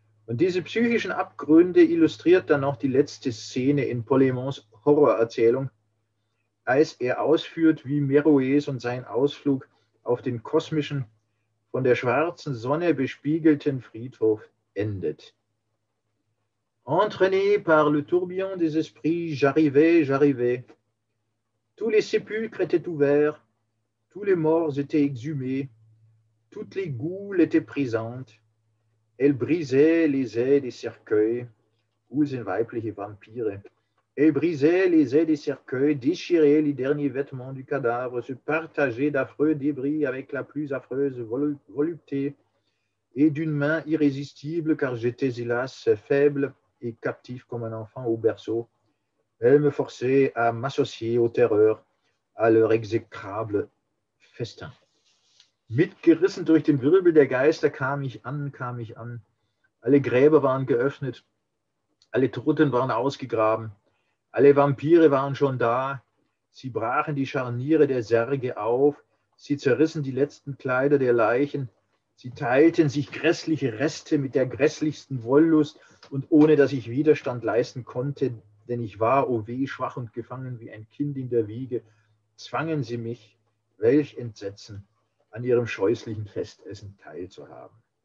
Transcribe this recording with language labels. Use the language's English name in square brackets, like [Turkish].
[German] Und diese psychischen Abgründe illustriert dann noch die letzte Szene in Polemons Horrorerzählung, als er ausführt, wie Meroes und sein Ausflug auf den kosmischen, von der schwarzen Sonne bespiegelten Friedhof endet. [French] Entraîné par le tourbillon des esprits, j'arrivais, j'arrivais. Tous les sépulcres étaient ouverts, tous les morts étaient exhumés, toutes les goules étaient présentes. Elle brisait les ailes des cercueils, où [German] sind weibliche Vampire? [French] Elle brisait les ailes des cercueils, déchirait les derniers vêtements du cadavre, se partageait d'affreux débris avec la plus affreuse volupté, et d'une main irrésistible, car j'étais hélas faible et captif comme un enfant au berceau, elle me forçait à m'associer aux terreurs, à leur exécrable festin. [German] Mitgerissen durch den Wirbel der Geister kam ich an. Alle Gräber waren geöffnet, alle Toten waren ausgegraben, alle Vampire waren schon da. Sie brachen die Scharniere der Särge auf, sie zerrissen die letzten Kleider der Leichen, sie teilten sich grässliche Reste mit der grässlichsten Wollust und ohne, dass ich Widerstand leisten konnte, denn ich war, oh weh, schwach und gefangen wie ein Kind in der Wiege, zwangen sie mich, welch Entsetzen, an ihrem scheußlichen Festessen teilzuhaben.